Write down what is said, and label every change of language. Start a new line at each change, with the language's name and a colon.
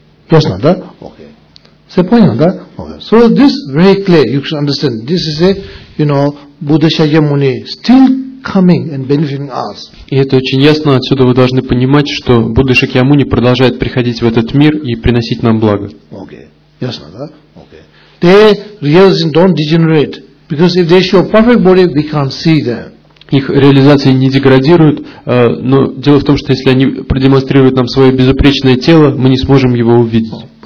Russian: Ясно, да? Окей. Все понятно, да? Окей.
English: So this very clear, you should understand. This is a, you know, Будда Шакьямуни still coming and benefiting us.
Russian: И это очень ясно, отсюда вы должны понимать, что Будда Шакьямуни продолжает приходить в этот мир и приносить нам благо. Окей. Ясно, да?
English: Their realization don't degenerate because if they show perfect body, we can't see them.
Russian: Их реализации не деградируют, но дело в том, что если они продемонстрируют нам свое безупречное тело, мы не сможем его увидеть.